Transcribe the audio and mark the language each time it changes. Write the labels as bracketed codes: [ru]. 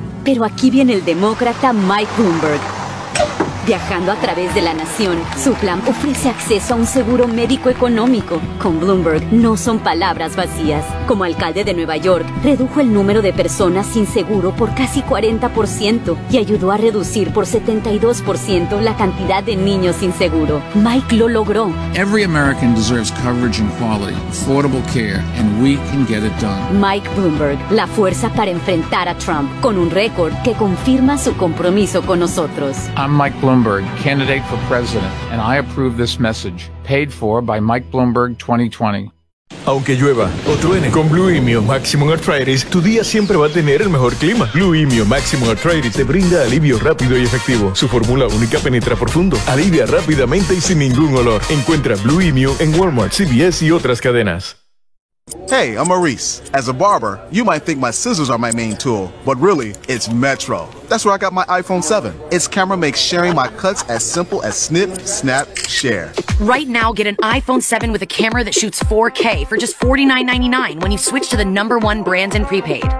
[es] Pero aquí viene el demócrata Mike Bloomberg. Viajando a través de la nación, su plan ofrece acceso a un seguro médico económico. Con Bloomberg no son palabras vacías. Como alcalde de Nueva York, redujo el número de personas sin seguro por casi 40% y ayudó a reducir por 72% la cantidad de niños sin seguro. Mike lo logró. [en] Every American deserves coverage and quality, affordable care, and we can get it done. [es] Mike Bloomberg, la fuerza para enfrentar a Trump, con un récord que confirma su compromiso con nosotros. [en] I'm Mike Bloomberg, candidate for president, and I approve this message, paid for by Mike Bloomberg 2020. [es] Aunque llueva o truene, con Blue Imio Maximum Arthritis, tu día siempre va a tener el mejor clima. Blue Imio Maximum Arthritis te brinda alivio rápido y efectivo. Su fórmula única penetra profundo, alivia rápidamente y sin ningún olor. Encuentra Blue Imio en Walmart, CVS y otras cadenas. [en] Hey, I'm Maurice. As a barber, you might think my scissors are my main tool, but really, it's Metro. That's where I got my iPhone 7. Its camera makes sharing my cuts as simple as snip, snap, share. Right now, get an iPhone 7 with a camera that shoots 4K for just $49.99 when you switch to the number one brand in prepaid.